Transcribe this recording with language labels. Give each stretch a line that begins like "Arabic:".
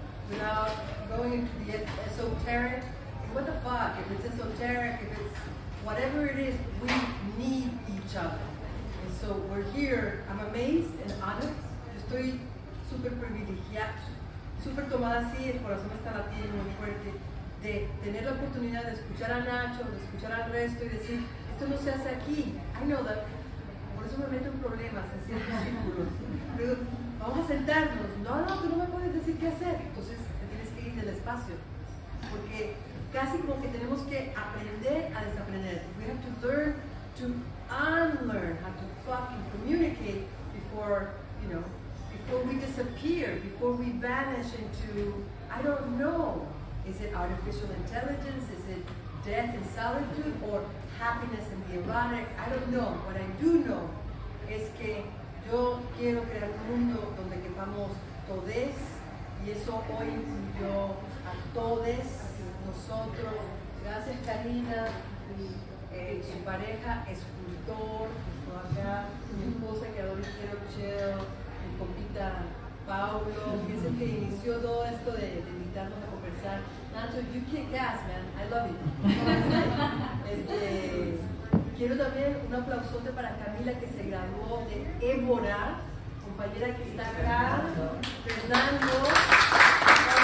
English: Without going into the esoteric, what the fuck, if it's esoteric, if it's whatever it is, we need each other. And so we're here, I'm amazed and honored.
Spanish: Estoy super privilegiada, super tomada así, el corazón está latiendo muy fuerte, de tener la oportunidad de escuchar a Nacho, de escuchar al resto y decir, esto no se hace aquí.
English: I know that.
Spanish: Por eso me meto en problemas, así en los círculos. Pero vamos a sentarnos. No, no, tú no me puedes decir qué hacer. Entonces te tienes que ir del espacio. Porque casi como que tenemos que aprender a desaprender.
English: We have to learn to unlearn how to fucking communicate before, you know, before we disappear, before we vanish into, I don't know, is it artificial intelligence, is it death and solitude, or happiness and the erotic, I don't know. What I do know
Spanish: es que yo quiero crear un mundo donde quepamos todes, y eso hoy incluyó a todes, nosotros, gracias Karina, su pareja, escultor, que acá, mi esposa que ahora quiero chill, mi compita Paulo, que es el que inició todo esto de invitarnos a conversar.
English: Nacho, you kick ass, man, I love it.
Spanish: Quiero también un aplausote para Camila que se graduó de Évora, compañera que está acá, Fernando.